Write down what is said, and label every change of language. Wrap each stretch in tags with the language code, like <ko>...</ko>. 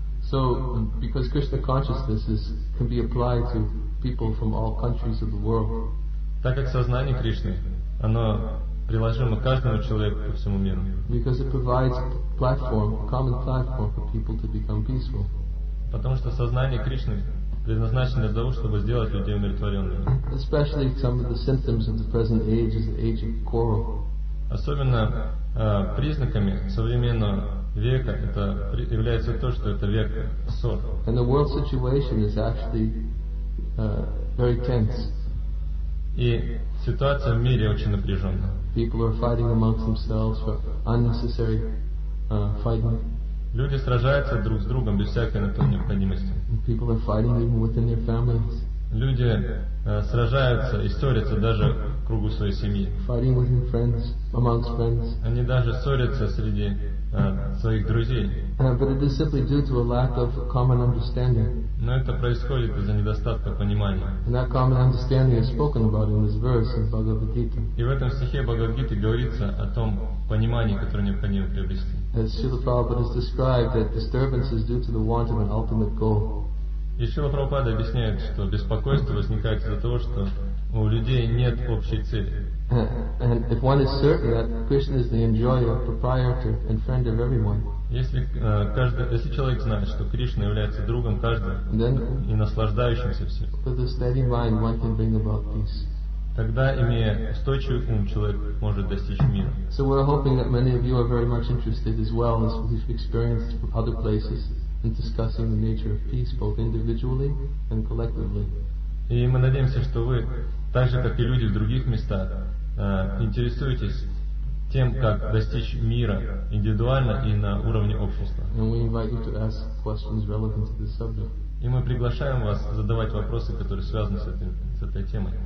<en>So, because Krishna consciousness is, can be applied to people from all countries of the world.</en> <ru>Так как сознание Кришны, оно приложимо каждому человеку по всему миру.</ru> <en>Because it provides platform, common platform for people to become peaceful.</en> <ru>Потому что сознание Кришны предназначено для того, чтобы сделать людей умиротворенными.</ru> <en>Especially some of the symptoms of the present age is the age of quarrel.</en> <ru>Особенно признаками современного века это является то, что это век ссор.</ru> <en>And the world situation is actually very tense.</en> <ru>И ситуация в мире очень напряженная.</ru> <en>People are fighting amongst themselves for unnecessary fighting.</en> <ru>Люди сражаются друг с другом без всякой на то необходимости.</ru> <en>People are fighting even within their families.</en> <ru>Люди сражаются и ссорятся даже в кругу своей семьи.</ru> <en>Fighting within friends, amongst friends.</en> <ru>Они даже ссорятся среди своих друзей.</ru> <en>But it is simply due to a lack of common understanding.</en> <ru>Но это происходит из-за недостатка понимания.</ru> <en>And that common understanding is spoken about in this verse in Bhagavad Gita.</en> <ru>И в этом стихе Бхагавад Гиты говорится о том понимании, которое необходимо приобрести.</ru> <en>As Srila Prabhupada has described that disturbance is due to the want of an ultimate goal.</en> <ru>И Шрила Прабхупада объясняет, что беспокойство возникает из-за того, что у людей нет общей цели.</ru> <en>And if one is certain that Krishna is the enjoyer, proprietor, and friend of everyone,</en> <ru>если человек знает, что Кришна является другом каждого и наслаждающимся всем,</ru> <en>with a steady mind one can bring about peace.</en> <ru>Тогда, имея устойчивый ум, человек может достичь мира.</ru> <en>So we're hoping that many of you are very much interested as well as we've experienced from other places in discussing the nature of peace both individually and collectively.</en> <ru>И мы надеемся, что вы, так же как и люди в других местах, интересуетесь тем, как достичь мира индивидуально и на уровне общества.</ru> <en>And we invite you to ask questions relevant to this subject.</en> <ru>И мы приглашаем вас задавать вопросы, которые связаны с этой темой.</ru>